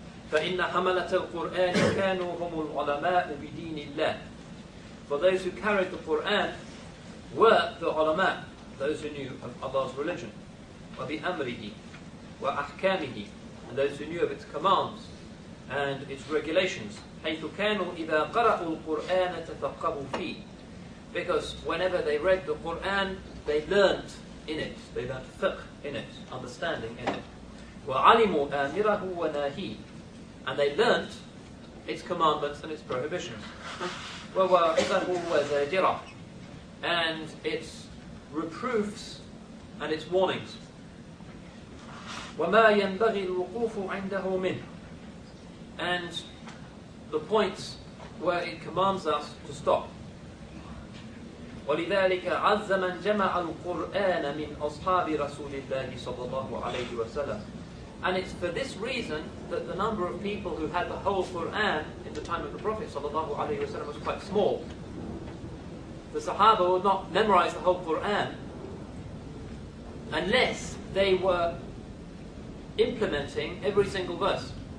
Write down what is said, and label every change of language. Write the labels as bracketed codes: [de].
[ar] فَإِنَّ حَمَلَةَ الْقُرْآنِ كَانُوا هُمُ الْعُلَمَاءُ بِدِينِ اللَّهِ. [en] For those who carried the Qur'an were the ulama, those who knew of Allah's religion. [ar] وَبِأَمْرِهِ وَأَحْكَامِهِ. [en] And those who knew of its commands and its regulations. [ar] حيث كانوا إذا قرأوا القرآن تفقهوا فيه. [en] Because whenever they read the Qur'an, they learned in it. They learned fiqh in it, understanding in it. [ar] وعلموا آمره وناهيه. [en] And they learned its commandments and its prohibitions. [ar] وواعظه وزاجره. [en] And its reproofs and its warnings. [ar] وما ينبغي الوقوف عنده منه. [en] And the points where it commands us to stop. [ar] ولذلك عز من جمع القرآن من أصحاب رسول الله صلى الله عليه وسلم. [en] And it's for this reason that the number of people who had the whole Quran in the time of the Prophet [ar] صلى الله عليه وسلم [en] was quite small. The Sahaba would not memorize the whole Quran unless they were implementing every single verse.